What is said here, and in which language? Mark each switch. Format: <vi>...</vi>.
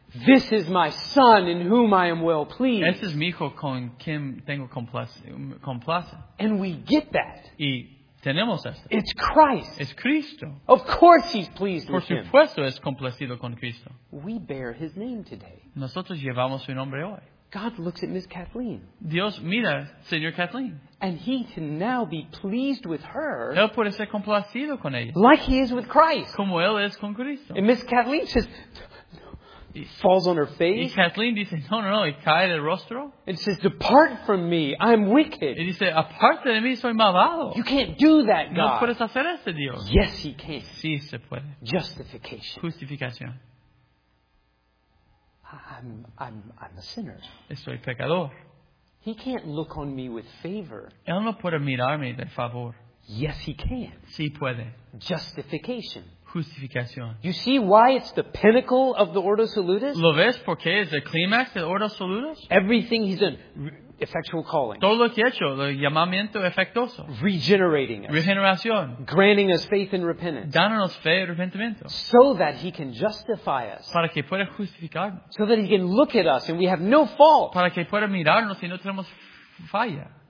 <en>This is my Son in whom I am well pleased.</en> <es>Este es mi hijo con quien tengo complacencia.</es> <en>And we get that.</en> <es>Y tenemos esto.</es> <en>It's Christ.</en> <es>Es Cristo.</es> <en>Of course he's pleased with him.</en> <es>Por supuesto es complacido con Cristo.</es> <en>We bear his name today.</en> <es>Nosotros llevamos su nombre hoy.</es> <en>God looks at Miss Kathleen.</en> <es>Dios mira, Señor Kathleen.</es> <en>And he can now be pleased with her.</en> <es>Él puede ser complacido con ella.</es> <en>Like he is with Christ.</en> <es>Como él es con Cristo.</es> <en>And Miss Kathleen says, falls on her face.</en> <es>Y Kathleen dice, no, no, no. Y cae de rostro.</es> <en>And says, depart from me. I'm wicked.</en> <es>Y dice, aparte de mí, soy malvado.</es> <en>You can't do that, God.</en> <es>No puedes hacer eso, Dios.</es> <en>Yes, he can.</en> <es>Sí, se puede.</es> <en>Justification.</en> <es>Justificación.</es> <en>I'm a sinner.</en> <es>Soy pecador.</es> <en>He can't look on me with favor.</en> <es>Él no puede mirarme de favor.</es> <en>Yes, he can.</en> <es>Sí puede.</es> <en>Justification.</en> <es>Justificación.</es> <en>You see why it's the pinnacle of the Ordo Salutis?</en> <es>¿Lo ves por qué es el clímax del Ordo Salutis?</es> <en>Everything he's done. Effectual calling.</en> <es>Todo lo que he hecho, el llamamiento efectuoso.</es> <en>Regenerating us.</en> <es>Regeneración.</es> <en>Granting us faith and repentance.</en> <es>Dándonos fe y arrepentimiento.</es> <en>So that he can justify us.</en> <es>Para que pueda justificarnos.</es> <en>So that he can look at us and we have no fault.</en> <es>Para que pueda mirarnos y no tenemos falla.</es>